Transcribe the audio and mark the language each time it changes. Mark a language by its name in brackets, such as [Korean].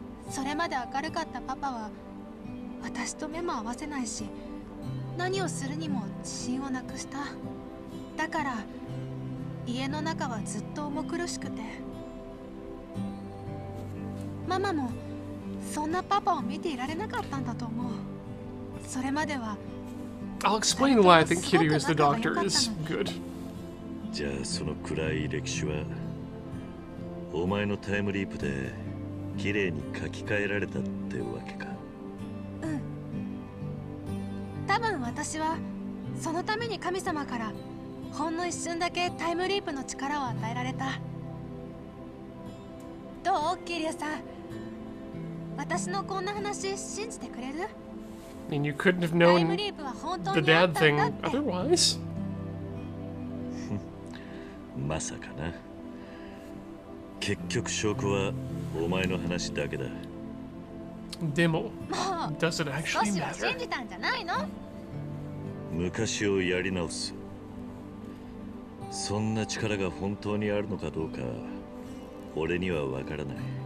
[Japanese] それまで明るかったパパは私と目も合わせないし、何をするにも自信をなくした。だから家の中はずっと重苦しくて、ママもそんなパパを見ていられなかったんだと思う。それまでは [English] I'll explain why I think Kiryu is the doctor is good. [Japanese] じゃあその暗い歴史はお前のタイムリープで綺麗に書き換えられたってわけか。私はそのために神様からほんの一瞬だけタイムリープの力を与えられた。どう、キリュウさん、私のこんな話信じてくれる？ [English] I mean, you couldn't have known the dad thing otherwise. [Japanese] まさかな。結局証拠はお前の話だけだ。でも、 [English] does it actually matter? [Japanese] 少しは信じたんじゃないの？昔をやり直す。そんな力が本当にあるのかどうか、俺にはわからない。